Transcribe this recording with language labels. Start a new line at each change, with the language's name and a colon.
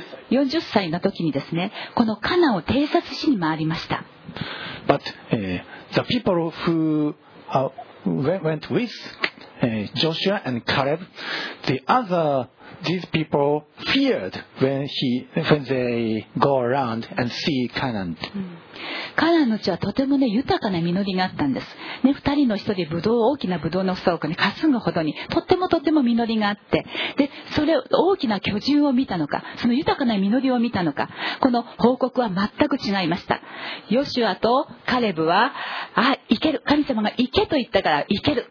Japanese: 40歳の時にですね、このカナンを偵察しに回りました。
English: But, the people who went with Joshua and Caleb, the other these people feared when they go around and see Canaan.
Japanese: カナンの地はとてもね、豊かな実りがあったんです。ね、二人の人でブドウ、大きなブドウの草をね、かすむほどに、とってもとても実りがあって、で、それ大きな巨人を見たのか、その豊かな実りを見たのか、この報告は全く違いました。ヨシュアとカレブは、あ、行ける。神様が行けと言ったから行ける。